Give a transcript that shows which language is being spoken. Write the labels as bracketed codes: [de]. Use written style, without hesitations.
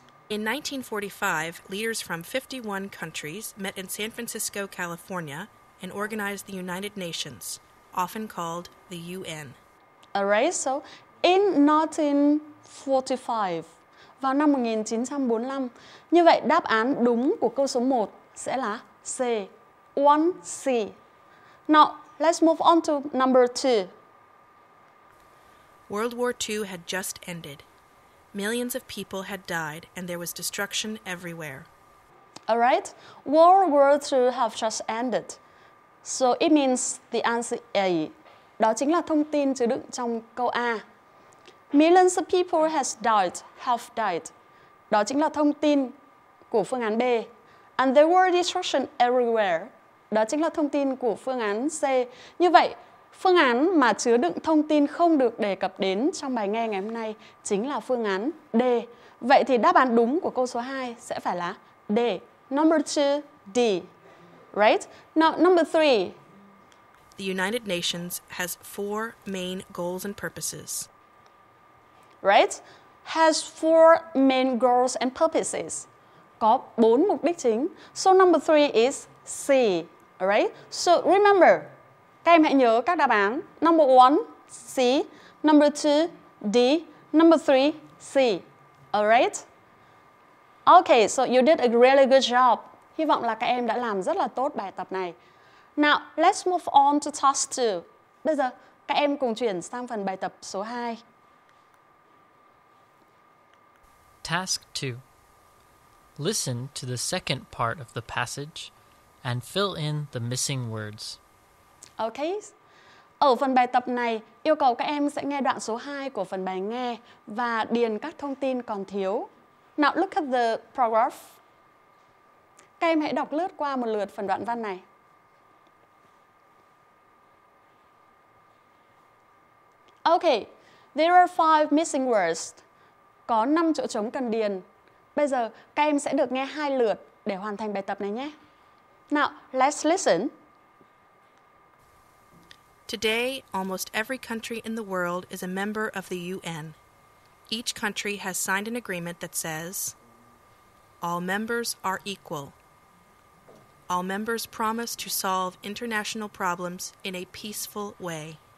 [en] In 1945, leaders from 51 countries met in San Francisco, California, and organized the United Nations, often called the UN. Alright, so in 1945, [vi] vào năm 1945, như vậy đáp án đúng của câu số 1 sẽ là C, 1C. [en] Now, let's move on to number 2. World War II had just ended. Millions of people had died, and there was destruction everywhere. All right. World War II have just ended. So it means the answer A. [vi] Đó chính là thông tin chứa đựng trong câu A. [en] Millions of people have died. [vi] Đó chính là thông tin của phương án B. [en] And there were destruction everywhere. [vi] Đó chính là thông tin của phương án C. Như vậy, phương án mà chứa đựng thông tin không được đề cập đến trong bài nghe ngày hôm nay chính là phương án D. Vậy thì đáp án đúng của câu số 2 sẽ phải là D. [en] Number 2, D. Right? Now, number 3. The United Nations has 4 main goals and purposes. Right? Has 4 main goals and purposes. [vi] Có 4 mục đích chính. [en] So number 3 is C. Alright? So remember, [vi] các em hãy nhớ các đáp án. [en] Number 1, C. Number 2, D. Number 3, C. Alright? Okay, so you did a really good job. [vi] Hy vọng là các em đã làm rất là tốt bài tập này. [en] Now, let's move on to task 2. [vi] Bây giờ, các em cùng chuyển sang phần bài tập số 2. [en] Task 2. Listen to the second part of the passage and fill in the missing words. Okay. [vi] Ở phần bài tập này, yêu cầu các em sẽ nghe đoạn số 2 của phần bài nghe và điền các thông tin còn thiếu. [en] Now look at the paragraph. [vi] Các em hãy đọc lướt qua một lượt phần đoạn văn này. [en] Okay. There are 5 missing words. [vi] Có 5 chỗ trống cần điền. Bây giờ các em sẽ được nghe 2 lượt để hoàn thành bài tập này nhé. [en] Now, let's listen. Today, almost every country in the world is a member of the UN. Each country has signed an agreement that says all members are equal. All members promise to solve international problems in a peaceful way.